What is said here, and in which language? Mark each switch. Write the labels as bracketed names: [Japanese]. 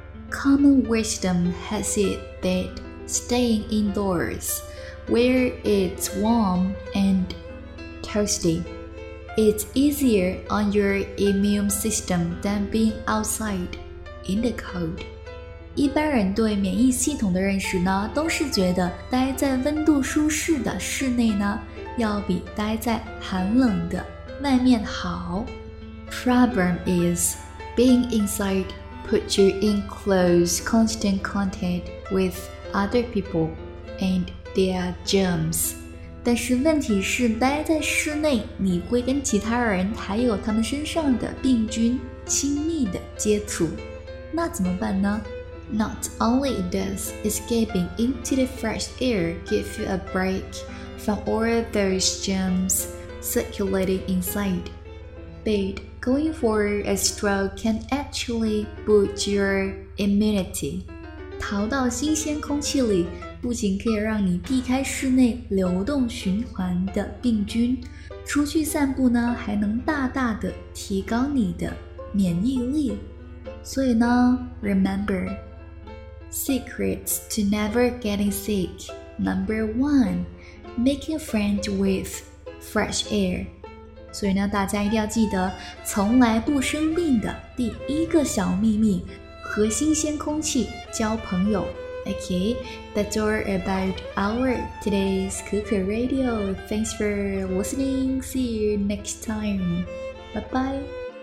[English] Common wisdom has it that staying indoors, where it's warm and toasty, is easier on your immune system than being outside in the cold. [Chinese] 一般人对免疫系统的认识呢，都是觉得待在温度舒适的室内呢，要比待在寒冷的外面好。 [English] Problem is, being inside puts you in close constant contact with other people and their germs. [Chinese] 但是问题是待在室内，你会跟其他人还有他们身上的病菌亲密的接触。那怎么办呢？ [English] Not only does escaping into the fresh air give you a break from all those germs circulating inside, but going for a stroll can actually boost your immunity. [Chinese] 逃到新鲜空气里不仅可以让你避开室内流动循环的病菌，出去散步呢还能大大的提高你的免疫力。所以呢， [English] remember, secrets to never getting sick. Number one, making friends with fresh air. [Chinese] 所以呢，大家一定要记得，从来不生病的第一个小秘密，和新鲜空气交朋友。 [English] Okay, that's all about our today's Kuku Radio. Thanks for listening. See you next time. Bye bye.